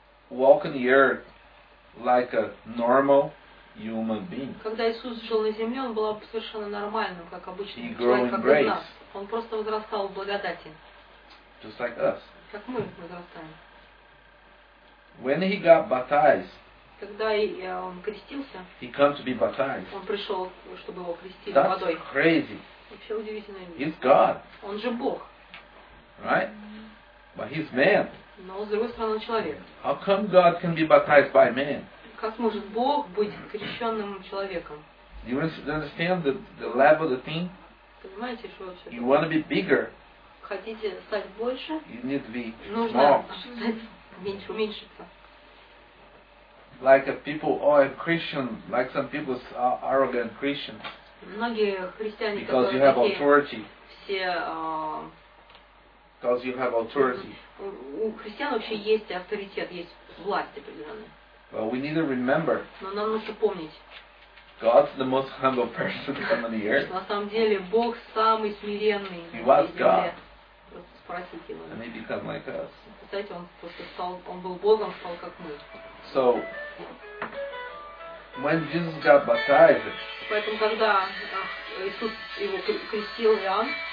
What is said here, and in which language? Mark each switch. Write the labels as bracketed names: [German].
[English] Walk on the earth like a normal human being. [Russian] Когда Иисус жил на земле, он был совершенно нормальным, как обычный человек, как у нас. Он просто возрастал в благодати. [English] Just like us. [Russian] Как мы возрастаем. [English] When he got baptized. [Russian] Когда он крестился. [English] He came to be baptized. [Russian] Он пришел, чтобы его крестили [English] That's [Russian] водой. [English] That's crazy. [Russian] Вообще удивительное место. [English] He's God. [Russian] Он же Бог. [English] Right? Mm-hmm. But he's man. [Russian] Но с другой стороны, человек. [English] How come God can be baptized by man? [Russian] Как может Бог быть крещенным человеком? [English] You understand the level of the thing? [Russian] Понимаете, что вообще? [English] You want to be bigger? [Russian] Хотите стать больше? [English] You need to be [Russian] Нужно [English] small. [Russian] Стать меньше, уменьшиться. [English] Like a people, oh, I'm Christian. Like some people are arrogant Christians. [Russian] Многие христиане, [English] because you have authority. [Russian] Все. [English] Because you have authority. [Russian] У христиан вообще есть авторитет, есть власть определенная. [English] Well, we need to remember. [Russian] Но нам нужно помнить. [English] God's the most humble person on the earth. [Russian] На самом деле Бог самый смиренный. [English] He was God. [Russian] Просто спросите его. [English] And he became like us. [Russian] Кстати, он просто стал, он был Богом, стал как мы. [English] So, when Jesus got baptized. [Russian] Поэтому когда Иисус его крестил, Иоанн.